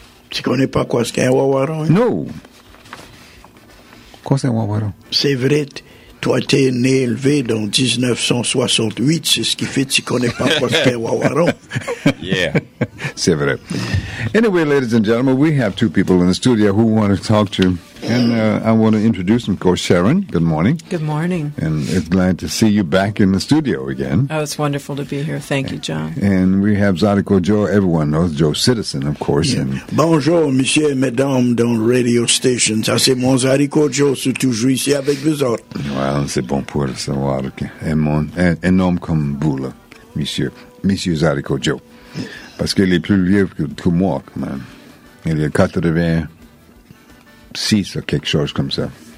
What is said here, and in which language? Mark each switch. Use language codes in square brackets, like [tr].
[fr] Tu connais pas quoi c'est Wawaron? No. Quoi c'est Wawaron? C'est vrai. Toi, tu es né élevé dans 1968, c'est ce qui fait que tu ne connais pas quoi c'est Wawaron. [en] Yeah. [fr] C'est vrai. [en] Anyway, ladies and gentlemen, we have two people in the studio who want to talk to. And I want to introduce them. Of course, Sharon, good morning. Good morning. And it's glad to see you back in the studio again. Oh, it's wonderful to be here. Thank you, John. And we have Zydeco Joe. Everyone knows Joe Citizen, of course. Yeah. And [fr] bonjour, monsieur et madame dans radio station. Ça, c'est mon Zydeco Joe. C'est toujours ici avec vous autres. Well, c'est bon pour savoir que mon nom comme Boula, monsieur. Monsieur Zydeco Joe. Parce qu'il est plus vieux que moi, quand même. Il y a 80 6 or quelque chose comme ça.